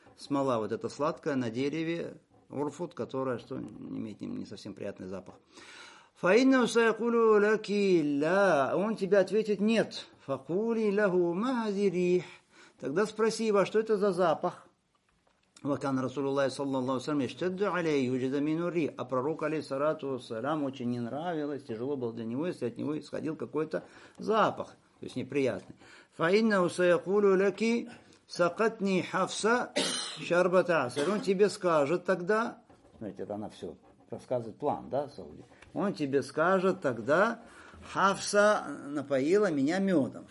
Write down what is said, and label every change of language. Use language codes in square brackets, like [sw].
[ru] Смола вот эта сладкая на дереве. Урфут, которая, что, имеет не совсем приятный запах. [ar] فإنه سيقول لك لا, [ru] он тебе ответит нет. [ar] فقولي له ما هذه الريح, [ru] тогда спроси его, что это за запах. [ar] وكان رسول الله صلى الله عليه وسلم يشتد عليه يوجد منه ريح. [ru] А пророк алейхиссалату вассалям очень не нравилось, тяжело было для него, если от него исходил какой-то запах, то есть неприятный. [ar] فإنه سيقول لك سقتني حفصة شربة عسل, [ru] он тебе скажет тогда, знаете, это она все рассказывает план, да, Сауди, он тебе скажет тогда, Хафса напоила меня медом.